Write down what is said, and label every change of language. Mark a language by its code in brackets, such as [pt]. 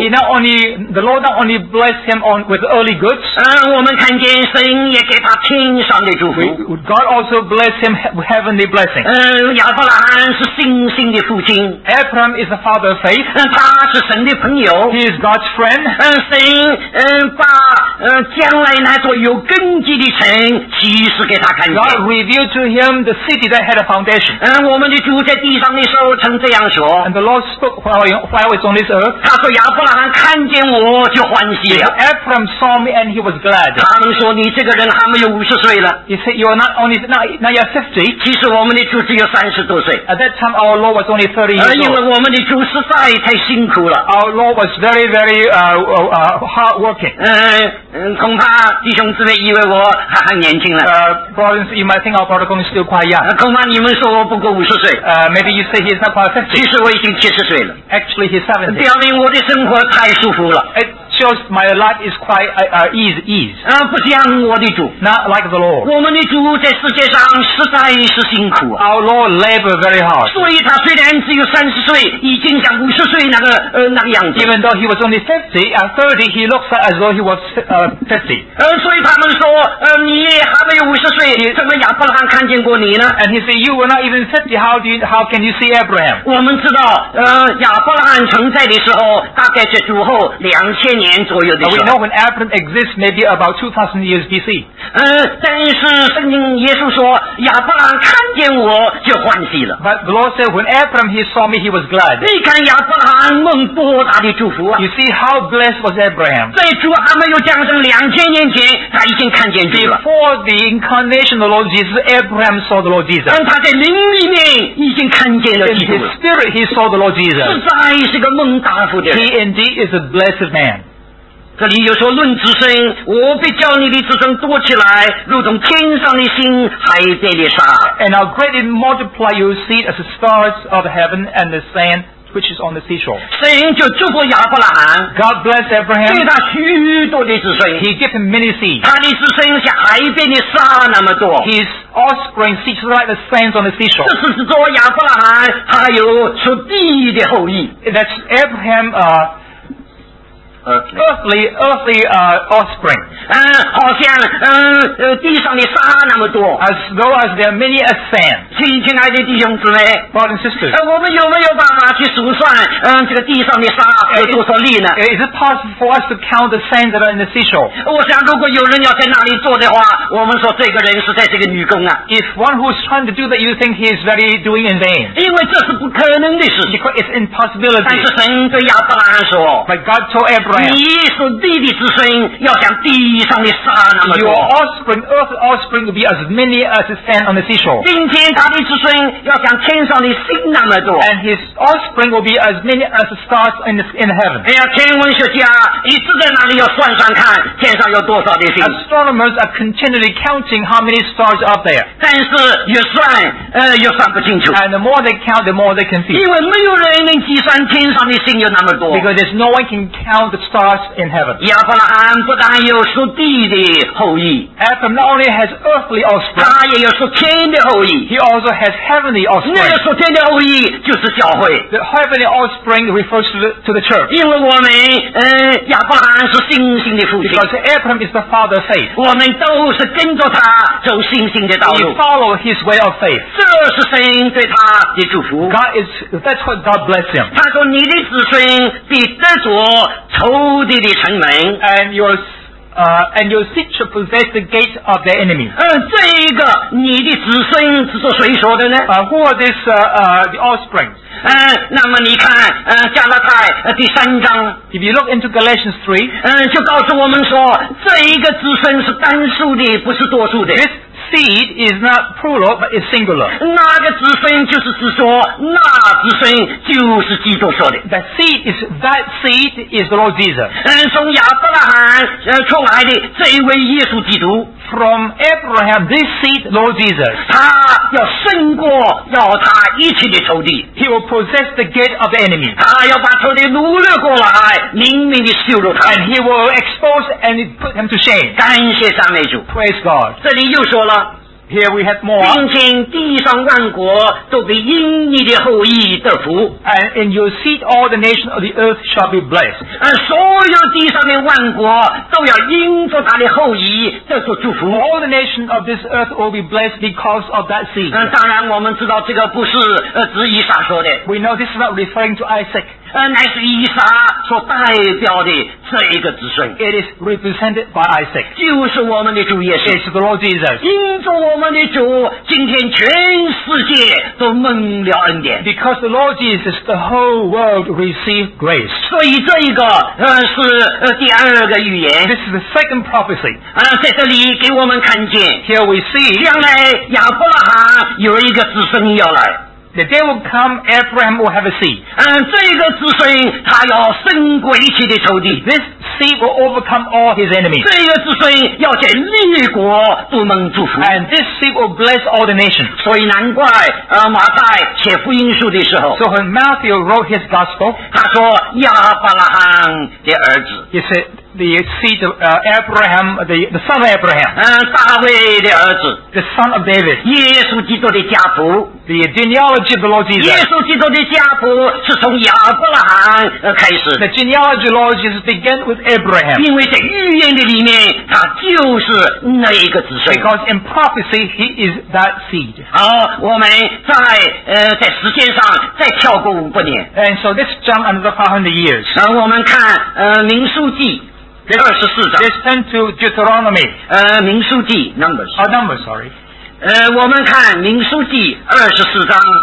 [en] He not only the Lord not only blessed him on with early goods [zh] 我们看见神也给他天上的祝福 [en] God also blessed him heavenly blessing [zh] 亚伯拉罕是信心的父亲 [en] Abraham Abraham is the father of faith. [zh] 他是神的朋友。 [en] He is God's friend. [zh] 神把将来那座有根基的城启示给他看见。 [en] God revealed to him the city that had a foundation. [zh] 我们的主在地上的时候曾这样说。 [en] And the Lord spoke while I was on this earth. [zh] 他说亚伯拉罕看见我就欢喜了。 [en] Because Abraham saw me and he was glad. [zh] 他们说你这个人还没有五十岁了。 [en] He said you are not you're 50. [zh] 其实我们的主只有三十多岁。 [en] At that time our Lord was only 30 years old. [zh] 因为我们的主实在太辛苦了。 [en] Our Lord was very, very hardworking. [zh] 恐怕弟兄姊妹以为我还很年轻了。 [en] Brothers, you might think our brother Kong is still quite young. [zh] 恐怕你们说我不过五十岁。 [en] Maybe you say he's not quite 50. [zh] 其实我已经七十岁了。 [en] Actually, he's 70. [zh] 表明我的生活太舒服了。 [en] It shows my life is quite ease. [zh] 不像我的主。 [en] Not like the Lord. [zh] 我们的主在世界上实在是辛苦。 [en] Our Lord labored very hard. [zh] 所以他虽然只有三十岁，已经像五十岁那个样子。 [en] Even though he was only 50, at 30 he looks like as though he was 50. [zh] 所以他们说，你还没有五十岁，怎么亚伯拉罕看见过你呢？ [en] And he said, you were not even 50. How can you see Abraham? [zh] 我们知道，亚伯拉罕存在的时候，大概是主后两千年左右的时候。 [en] We know when Abraham exists, maybe about 2,000 years BC. [zh] 但是圣经耶稣说，亚伯拉罕看见我就欢喜了。 [en] But the Lord said, when Abraham he saw me, he was glad. [zh] 你看亚伯拉罕蒙多大的祝福啊！ [en] You see how blessed was Abraham. [zh] 在主还没有降生两千年前，他已经看见主了。 [en] Before the incarnation of the Lord Jesus, Abraham saw the Lord Jesus. [zh] 他在灵里面已经看见了基督了。 [en] In his spirit, he saw the Lord Jesus. [zh] 实在是个蒙大福的人。 [en] He indeed is a blessed man. [zh] 这里有说论子孙，我必叫你的子孙多起来，如同天上的星，海边的沙。 [en] And I'll greatly multiply your seed as the stars of heaven and the sand which is on the seashore. [zh] 神就祝福亚伯拉罕。 [en] God bless Abraham. [zh] 给他许多的子孙。 [en] He gave him many seeds. [zh] 他的子孙像海边的沙那么多。 [en] His offspring seeds like the sands on the seashore. [zh] 这是说亚伯拉罕他有属地的后裔。 [en] That's Abraham. Earthly offspring. [zh] 好像地上的沙那么多。 [en] As though as there are many as sand. [zh] 亲爱的弟兄姊妹。 [en] Brothers and sisters. [zh] 我们有没有办法去数算这个地上的沙有多少粒呢？ [en] Is it possible for us to count the sand that are in the seashore? [zh] 我想如果有人要在那里做的话，我们说这个人是在这个女工啊。 [en] If one who is trying to do that, you think he is very doing in vain. [zh] 因为这是不可能的事。 [en] Because it's impossibility. [zh] 但是神对亚伯拉罕说。 [en] But God told Abraham. [zh] 你所立的子孙要像地上的沙那么多。 [en] Your offspring, earth's offspring, will be as many as the sand on the seashore. [zh] 今天他的子孙要像天上的星那么多。 [en] And his offspring will be as many as the stars in heaven. [zh] 哎呀，天文学家一直在那里要算算看天上有多少的星。 [en] Astronomers are continually counting how many stars are there. [zh] 但是越算，越算不清楚。 [en] And the more they count, the more they can see. [zh] 因为没有人能计算天上的星有那么多。 [en] Because there's no one can count. The stars in heaven. [zh] 亚伯拉罕不但有属地的后裔。 [en] Abraham not only has earthly offspring. [zh] 他也有属天的后裔。 [en] He also has heavenly offspring. [zh] 那个属天的后裔就是教会。 [en] The heavenly offspring refers to the church. [zh] 因为我们亚伯拉罕是信心的父亲。 [en] Because Abraham is the father of faith. [zh] 我们都是跟着他走信心的道路。 [en] We follow his way of faith. [zh] 这是神对他的祝福。 [en] That's what God bless him. [zh] 他说你的子孙必得着仇敌的城门。 [en] And your seed shall possess the gates of their enemy. [zh] 这一个你的子孙是做谁说的呢？ [en] Who are these the offspring? [zh] 那么你看，加拉太第三章。 [en] If you look into Galatians 3, [zh] 就告诉我们说，这一个子孙是单数的，不是多数的。 [en] This seed is not plural, but is singular. [zh] 那个子孙就是指说，那子孙就是基督说的。 [en] That seed is the Lord Jesus. [zh] 从亚伯拉罕出来的这一位耶稣基督。 [en] From Abraham, this seed, Lord Jesus, [zh] 他要胜过要他一切的仇敌。 [en] He will possess the gate of the enemy. [zh] 他要把仇敌掳掠过来，明明的羞辱他。 [en] And he will expose and put him to shame. [zh] 感谢赞美主。 [en] Praise God. [zh] 这里又说了。 [en] Here we have more. [zh] 并且地上万国都得因你的后裔得福。 [en] And in your seed all the nations of the earth shall be blessed. [zh] 所有地上的万国都要因着他的后裔得受祝福。 [en] All the nations of this earth will be blessed because of that seed. [zh] 当然我们知道这个不是指以撒说的。 [en] We know this is not referring to Isaac. [zh] 乃是以撒所代表的这一个子孙。 [en] It is represented by Isaac. [zh] 就是我们的主耶稣。 [en] It's the Lord Jesus. [zh] 因着我们的主，今天全世界都蒙了恩典。 [en] Because the Lord Jesus, the whole world received grace. [zh] 所以这一个是第二个预言。 [en] This is the second prophecy. [zh] 在这里给我们看见。 [en] Here we see. [zh] 将来亚伯拉罕有一个子孙要来。 [en] The day will come, Abraham will have a seed. [zh] 这个子孙他要胜过一切的仇敌。 [en] This seed will overcome all his enemies. [zh] 这个子孙要在列国都蒙祝福。 [en] And this seed will bless all the nations. [zh] 所以难怪马太写福音书的时候。 [en] So when Matthew wrote his gospel, [zh] 他说亚伯拉罕的儿子。 [en] He said,The seed of Abraham, the son of Abraham. [zh] 大卫的儿子。 [en] The son of David. [zh] 耶稣基督的家谱。 [en] The genealogy of the Lord Jesus. [zh] 耶稣基督的家谱是从亚伯拉罕开始。 [en] The genealogy of the Lord Jesus began with Abraham. [zh] 因为在预言的里面，他就是那一个子孙。 [en] Because in prophecy, he is that seed. [zh] 好，我们在时间上再跳过五百年。 [en] And so let's jump another 500 years. [zh] 我们看民数记。 [en] Let's turn to Deuteronomy. Numbers. [zh] 我们看民数记二十四章。